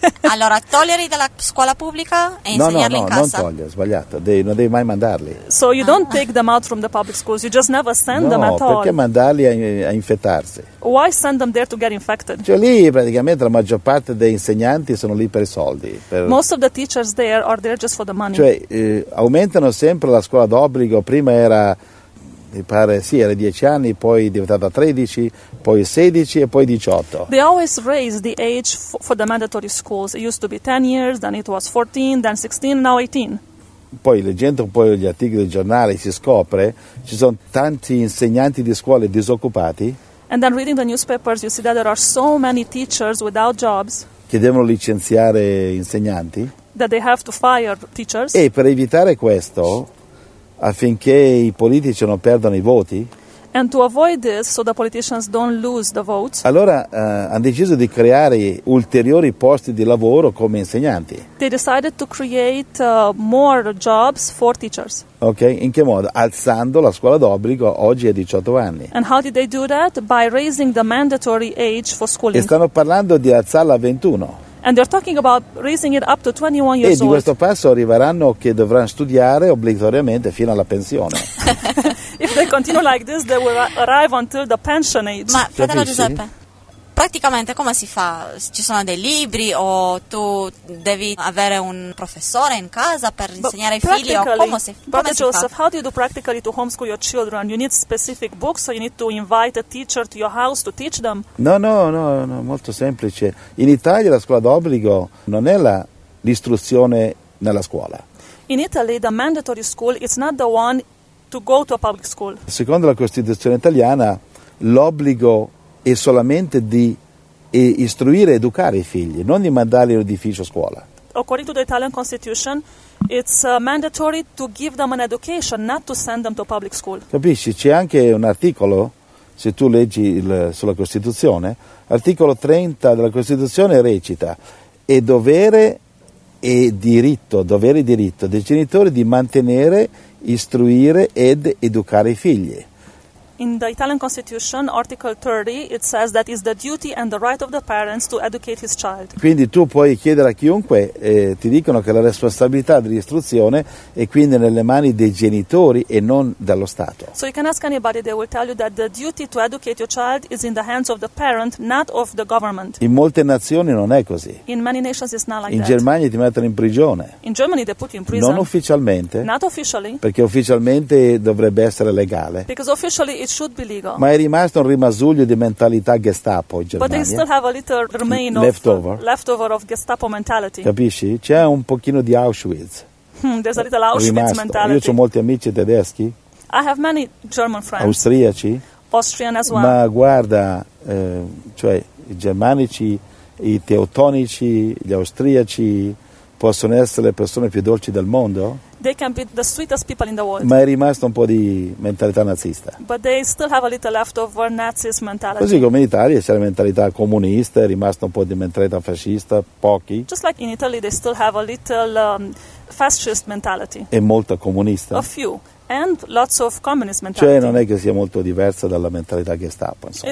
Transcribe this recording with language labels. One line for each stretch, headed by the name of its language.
Italian: Allora, toglierli dalla scuola pubblica e insegnarli in casa? No, non toglierli, sbagliato. Non devi mai mandarli.
English: So you don't take them out from the public schools, you just never send them at all.
Italian: No, perché mandarli a infettarsi?
English: Why send them there to get infected?
Italian: Cioè lì praticamente la maggior parte dei insegnanti sono lì per i soldi.
English: Most of the teachers there are there just for the money.
Italian: Cioè aumentano sempre la scuola d'obbligo, prima era... Mi pare, sì, era 10 anni, poi è diventata 13, poi 16 e poi 18.
English: They always raise the age for the mandatory schools. It used to be 10 years, then it was 14, then 16, now 18.
Italian: Poi leggendo un po' gli articoli del giornale si scopre ci sono tanti insegnanti di scuole disoccupati.
English: And then reading the newspapers you see that there are so many teachers without jobs.
Italian: che devono licenziare insegnanti,
English: that they have to fire teachers.
Italian: E per evitare questo, affinché i politici non perdano i voti,
English: and to avoid this, so the politicians don't lose the votes,
Italian: allora hanno deciso di creare ulteriori posti di lavoro come insegnanti.
English: They decided to create more jobs for teachers.
Italian: Okay, in che modo? Alzando la scuola d'obbligo oggi a 18 anni.
English: And how did they do that? By raising the mandatory age for schooling.
Italian: E stanno parlando di alzarla a 21.
English: And they're talking about raising it up to 21 years
Italian: old. E di questo passo arriveranno che dovranno studiare obbligatoriamente fino alla pensione.
English: If they continue like this, they will arrive until the pension age.
Italian: Ma, fratello Giuseppe, praticamente come si fa? Ci sono dei libri o tu devi avere un professore in casa per insegnare ai figli? O come si
English: Joseph,
Italian: fa?
English: How do you do practically to homeschool your children? You need specific books or you need to invite a teacher to your house to teach them?
Italian: No, molto semplice. In Italia la scuola d'obbligo non è l'istruzione nella scuola.
English: In Italy the mandatory school is not the one to go to a public school.
Italian: Secondo la Costituzione italiana l'obbligo è solamente di istruire, educare i figli, non di mandarli in un edificio a scuola.
English: According to the Italian Constitution, it's mandatory to give them an education, not to send them to a public school.
Italian: Capisci? C'è anche un articolo, se tu leggi sulla Costituzione, articolo 30 della Costituzione recita: è dovere e diritto, dovere e diritto dei genitori di mantenere, istruire ed educare i figli.
English: In the Italian Constitution, Article 30, it says that is the duty and the right of the parents to educate his child.
Italian: Quindi tu puoi chiedere a chiunque, ti dicono che la responsabilità dell'istruzione è quindi nelle mani dei genitori e non dello Stato.
English: So you can ask anybody, they will tell you that the duty to educate your child is in the hands of the parent, not of the government.
Italian: In molte nazioni non è così.
English: In many nations it's not like that.
Italian: In Germania ti mettono in prigione.
English: In Germany they put you in prison.
Italian: Non ufficialmente.
English: Not officially.
Italian: Perché ufficialmente dovrebbe essere legale.
English: Because officially it should be legal.
Italian: Ma è rimasto un rimasuglio di mentalità Gestapo in Germania.
English: But they still have a little remain of leftover of Gestapo mentality.
Italian: Capisci? C'è un pochino di Auschwitz.
English: There's a little Auschwitz
Italian: rimasto
English: mentality.
Italian: Io ho molti amici tedeschi.
English: I have many German friends.
Italian: Austriaci.
English: Austrian as well.
Italian: Ma guarda, cioè i germanici, i teutonici, gli austriaci possono essere le persone più dolci del mondo.
English: They can be the sweetest people in the world.
Italian: Ma è rimasto un po' di mentalità nazista.
English: But they still have a little left over Nazis mentality.
Italian: Così come in Italia c'è la mentalità comunista, è rimasto un po' di mentalità fascista, pochi.
English: Just like in Italy they still have a little fascist mentality.
Italian: E molto comunista.
English: A few. And lots of communist mentality.
Italian: Cioè non è che sia molto diversa dalla mentalità Gestapo, insomma.